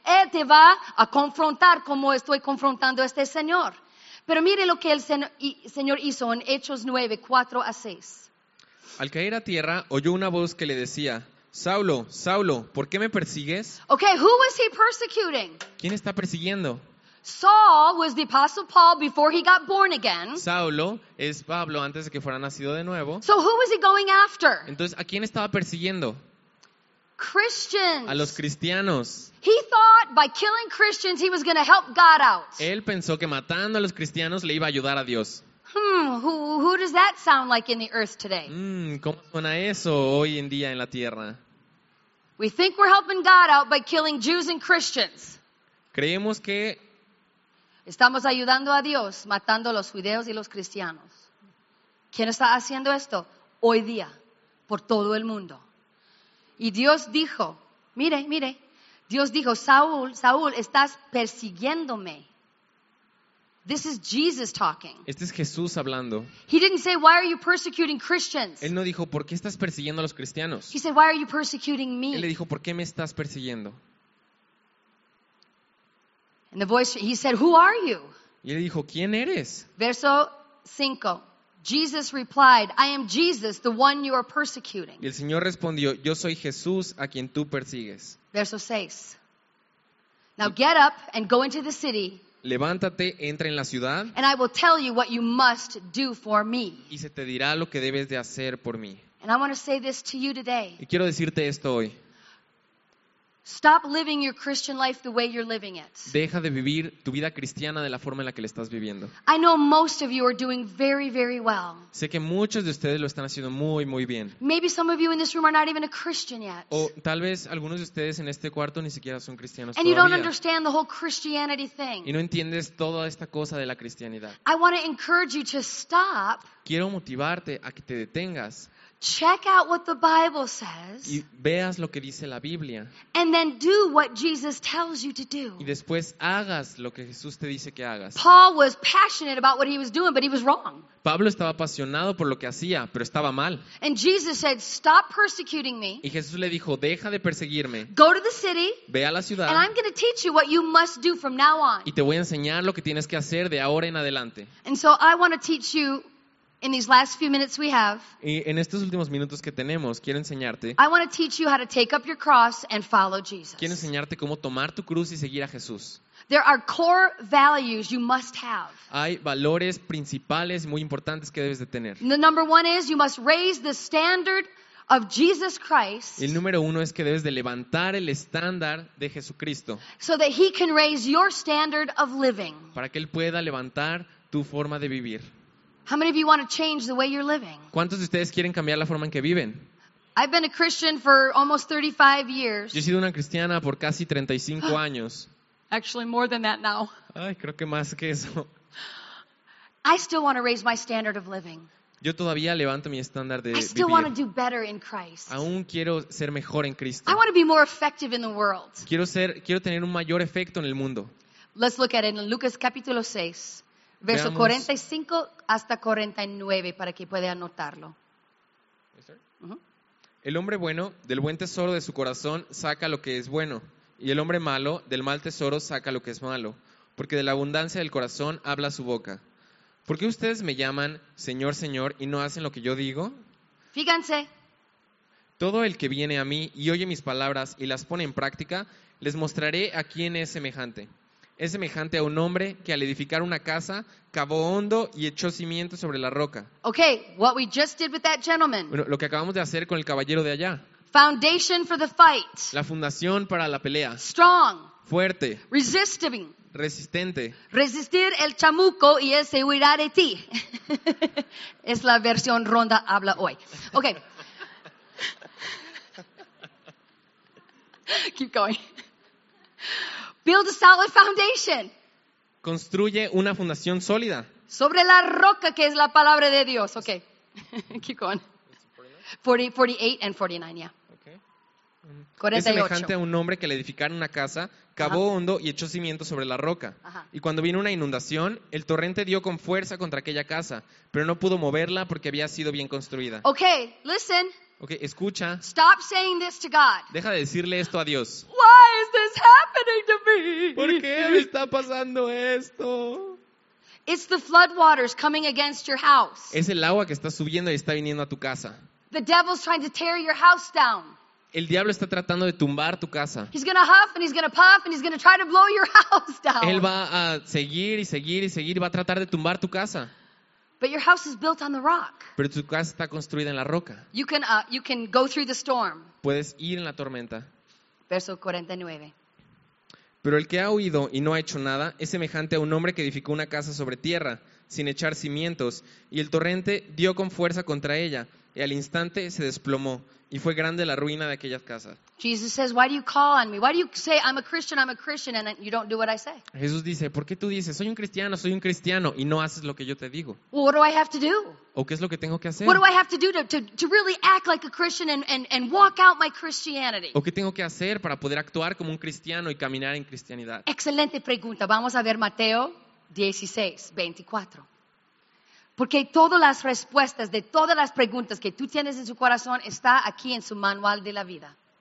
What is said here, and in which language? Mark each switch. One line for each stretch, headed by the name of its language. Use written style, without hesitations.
Spanish: Él te va a confrontar como estoy confrontando a este Señor. Pero mire lo que el Señor hizo en Hechos 9, 4 a 6. Al caer a tierra, oyó una voz que le decía: Saulo, Saulo, ¿por qué me persigues?
English: Okay, who was he persecuting?
Spanish: ¿Quién está persiguiendo?
English: Saul was the apostle Paul before he got born again.
Spanish: Saulo es Pablo antes de que fuera nacido de nuevo.
English: So who was he going after?
Spanish: Entonces, ¿a quién estaba persiguiendo?
English: Christians.
Spanish: A los cristianos.
English: He thought by killing Christians he was going to help God out.
Spanish: Él pensó que matando a los cristianos le iba a ayudar a Dios.
English: Who does that sound like in the earth today?
Spanish: ¿Cómo suena eso hoy en día en la tierra?
English: We think we're helping God out by killing Jews and Christians.
Spanish: Creemos que estamos ayudando a Dios matando a los judíos y los cristianos. ¿Quién está haciendo esto? Hoy día, por todo el mundo. Y Dios dijo, mire, Dios dijo, Saúl, estás persiguiéndome.
English: This is Jesus talking.
Spanish: Este es Jesús hablando.
English: He didn't say, why are you persecuting Christians?
Spanish: Él no dijo, ¿por qué estás persiguiendo a los cristianos?
English: He said, why are you persecuting me?
Spanish: Él le dijo, ¿por qué me estás persiguiendo?
English: And the voice, he said, who are you?
Spanish: Y él dijo, ¿quién eres? Verso 5.
English: Jesus replied, I am Jesus, the one you are persecuting.
Spanish: Y el Señor respondió, yo soy Jesús a quien tú persigues. Verso 6.
English: Now get up and go into the city
Spanish: Levántate, entra en la ciudad.
English: And I will tell you what you must do for me.
Spanish: Y se te dirá lo que debes de hacer por mí.
English: And I want to say this to you today.
Spanish: Y quiero decirte esto hoy.
English: Stop living your Christian life the way you're living it.
Spanish: Deja de vivir tu vida cristiana de la forma en la que la estás viviendo.
English: I know most of you are doing very, very well.
Spanish: Sé que muchos de ustedes lo están haciendo muy, muy bien.
English: Maybe some of you in this room are not even a Christian yet.
Spanish: O tal vez algunos de ustedes en este cuarto ni siquiera son cristianos todavía.
English: And you don't understand the whole Christianity thing.
Spanish: Y no entiendes toda esta cosa de la cristianidad.
English: I want to encourage you to stop.
Spanish: Quiero motivarte a que te detengas.
English: Check out what the Bible says.
Spanish: Y veas lo que dice la Biblia.
English: And then do what Jesus tells you to do.
Spanish: Y después hagas lo que Jesús te dice que hagas.
English: Paul was passionate about what he was doing, but he was wrong.
Spanish: Pablo estaba apasionado por lo que hacía, pero estaba mal.
English: And Jesus said, "Stop persecuting me."
Spanish: Y Jesús le dijo, "Deja de perseguirme."
English: Go to the city.
Spanish: Ve a la ciudad.
English: And I'm going to teach you what you must do from now on.
Spanish: Y te voy a enseñar lo que tienes que hacer de ahora en adelante.
English: And so I want to teach you. In these last few minutes we have,
Spanish: y en estos últimos minutos que tenemos, quiero enseñarte.
English: I want to teach you how to take up your cross and follow Jesus.
Spanish: Quiero enseñarte cómo tomar tu cruz y seguir a Jesús.
English: There are core values you must have.
Spanish: Hay valores principales muy importantes que debes de tener.
English: The number one is you must raise the standard of Jesus Christ.
Spanish: El número uno es que debes de levantar el estándar de Jesucristo.
English: So that he can raise your standard of living.
Spanish: Para que él pueda levantar tu forma de vivir.
English: How many of you want to change the way you're living?
Spanish: ¿Cuántos de ustedes quieren cambiar la forma en que viven?
English: I've been a Christian for almost 35 years.
Spanish: Yo he sido una cristiana por casi 35 años.
English: Actually, more than that now.
Spanish: Ay, creo que más que eso.
English: I still want to raise my standard of living.
Spanish: Yo todavía levanto mi estándar de vivir.
English: I still want to do better in Christ.
Spanish: Aún quiero ser mejor en Cristo.
English: I want to be more effective in the world.
Spanish: Quiero tener un mayor efecto en el mundo.
English: Let's look at it in
Spanish: Lucas capítulo 6. Verso 45 hasta 49, para que pueda anotarlo. El hombre bueno, del buen tesoro de su corazón, saca lo que es bueno. Y el hombre malo, del mal tesoro, saca lo que es malo. Porque de la abundancia del corazón habla su boca. ¿Por qué ustedes me llaman Señor, Señor, y no hacen lo que yo digo? Fíjense. Todo el que viene a mí y oye mis palabras y las pone en práctica, les mostraré a quién es semejante. Es semejante a un hombre que al edificar una casa, cavó hondo y echó cimientos sobre la roca.
English: Okay, what we just did with that gentleman.
Spanish: Bueno, lo que acabamos de hacer con el caballero de allá.
English: Foundation for the fight.
Spanish: La fundación para la pelea.
English: Strong.
Spanish: Fuerte.
English: Resisting.
Spanish: Resistente. Resistir el chamuco y él se huirá de ti. Es la versión ronda habla hoy. Okay.
English: Keep going. Build a solid foundation.
Spanish: Construye una fundación sólida. Sobre la roca que es la palabra de Dios.
English: Okay. Keep going. 48 and 49, yeah. Okay. 48.
Spanish: Es semejante a un hombre que al edificar una casa, cavó hondo y echó cimientos sobre la roca. Y cuando vino una inundación, el torrente dio con fuerza contra aquella casa, pero no pudo moverla porque había sido bien construida.
English: Okay, listen.
Spanish: Okay, escucha.
English: Stop saying this to God.
Spanish: Deja de decirle esto a Dios.
English: Why is this happening to me?
Spanish: ¿Por qué me está pasando esto?
English: It's the flood waters coming against your house.
Spanish: Es el agua que está subiendo y está viniendo a tu casa.
English: The devil's trying to tear your house down.
Spanish: El diablo está tratando de tumbar tu casa.
English: He's gonna huff and he's gonna puff and he's gonna try to blow your house down.
Spanish: Él va a seguir y seguir y seguir y va a tratar de tumbar tu casa.
English: But your house is built on the rock.
Spanish: Pero tu casa está construida en la roca.
English: You can go through the storm.
Spanish: Puedes ir en la tormenta. Verso 49. Pero el que ha oído y no ha hecho nada es semejante a un hombre que edificó una casa sobre tierra sin echar cimientos y el torrente dio con fuerza contra ella y al instante se desplomó y fue grande la ruina de aquella casa.
English: Jesus says, "Why do you call on me? Why do you say I'm a Christian and you don't do what I say?"
Spanish: Jesús dice, "¿Por qué tú dices soy un cristiano y no haces lo que yo te digo?"
English: Well, what do I have to do?
Spanish: ¿O qué es lo que tengo que hacer?
English: What do I have to do to really act like a Christian and walk out my Christianity?
Spanish: ¿O qué tengo que hacer para poder actuar como un cristiano y caminar en cristianidad? Excelente pregunta. Vamos a ver Mateo 16:24. Porque todas las respuestas de todas las preguntas que tú tienes en su corazón está aquí en su manual de la vida.